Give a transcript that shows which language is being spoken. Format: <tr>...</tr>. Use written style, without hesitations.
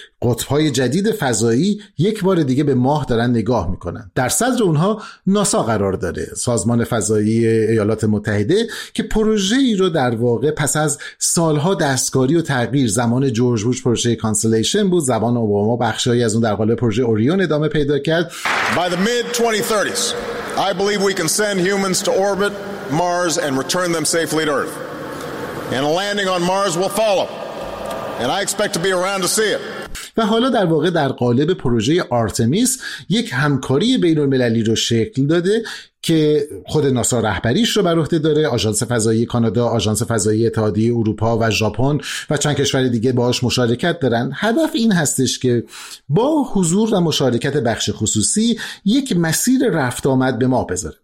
<fa>قطب‌های جدید فضایی یک بار دیگه به ماه دارن نگاه میکنن. در صدر اونها ناسا قرار داره، سازمان فضایی ایالات متحده، که پروژه‌ای رو در واقع پس از سالها دستکاری و تغییر، زمان جورج بوش پروژه کانسلیشن بود، زمان اوباما بخشی از اون در قالب پروژه اوریون ادامه پیدا کرد.</fa> <en>By the mid-2030s, I believe we can send humans to orbit Mars and return them safely to Earth. And a landing on Mars will follow. And I expect to be around to see it.</en> <fa>و حالا در واقع در قالب پروژه آرتمیس یک همکاری بین المللی رو شکل داده که خود ناسا رهبریش رو بر عهده داره، آژانس فضایی کانادا، آژانس فضایی اتحادیه اروپا و ژاپن و چند کشور دیگه باهاش مشارکت دارن. هدف این هستش که با حضور و مشارکت بخش خصوصی یک مسیر رفت آمد به ماه بذاره.</fa>